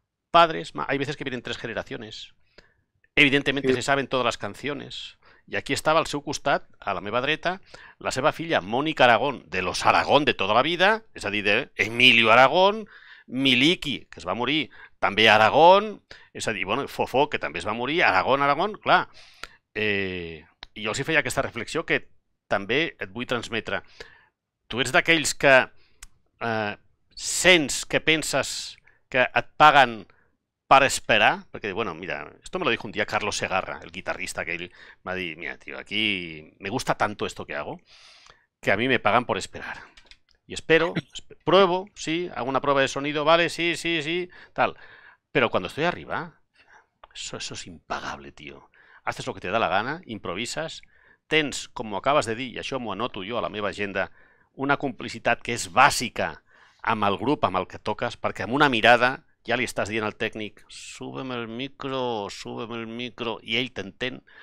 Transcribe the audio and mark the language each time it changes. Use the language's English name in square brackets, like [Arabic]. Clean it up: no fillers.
[Spanish] Padres, hay veces que vienen tres generaciones. Evidentemente se saben todas las canciones. [Catalan] Y aquí estaba al seu costat, a la meva dreta, la seva filla, Mònica Aragón, [Spanish] de los Aragón de toda la vida, [Catalan] és a dir, d'Emilio Aragón, Miliki, que es va morir, també Aragón, és a dir, bueno, Fofó, que també es va morir, Aragón, Aragón, clar. I jo els hi feia aquesta reflexió que també et vull transmetre. Tu ets d'aquells que sents que penses que et paguen per esperar, [Spanish] perquè, bueno, mira, esto me lo dijo un día Carlos Segarra, el guitarrista [Catalan] aquell, va dir, [Spanish] mira, tío, aquí me gusta tanto esto que hago, que a mí me pagan por esperar. Y espero, pruebo, sí, hago una prueba de sonido, vale, sí, tal. Pero cuando estoy arriba, eso es impagable, tío. Haces lo que te da la gana, improvisas, [Catalan] tens, como acabas de dir, i això m'ho anoto jo a la meva agenda, una complicitat que és bàsica amb el grup amb el que toques, perquè amb una mirada ja li estàs dient al tècnic, [Spanish] súbeme el micro, súbeme el micro, [Catalan] i ell t'entén.